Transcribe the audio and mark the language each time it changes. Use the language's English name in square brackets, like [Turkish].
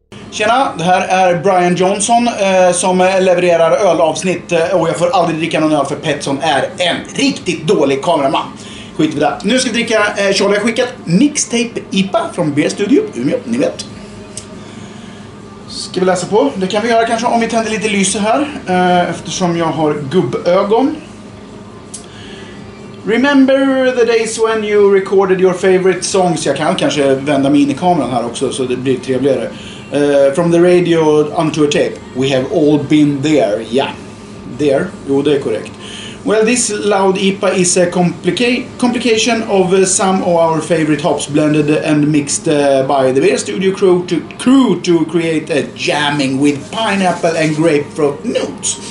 [Swedish] Tjena, det här är Brian Johnson som levererar ölavsnitt och jag får aldrig dricka någon öl för Petson är en riktigt dålig kameraman. Skit vi där. Nu ska vi dricka Charlie har skickat mixtape IPA från B Studio, Umeå, ni vet. Ska vi läsa på? Det kan vi göra kanske om vi tänder lite lyse här eftersom jag har gubbögon. [English] Remember the days when you recorded your favorite songs. [Swedish] Jag kan kanske vända mig in i kameran här också så det blir trevligare. [English] From the radio onto a tape. We have all been there, yeah. There, [Swedish] jo det är korrekt. [English] Well, this loud IPA is a complication of some of our favorite hops blended and mixed by the Beer Studio crew to create a jamming with pineapple and grapefruit notes.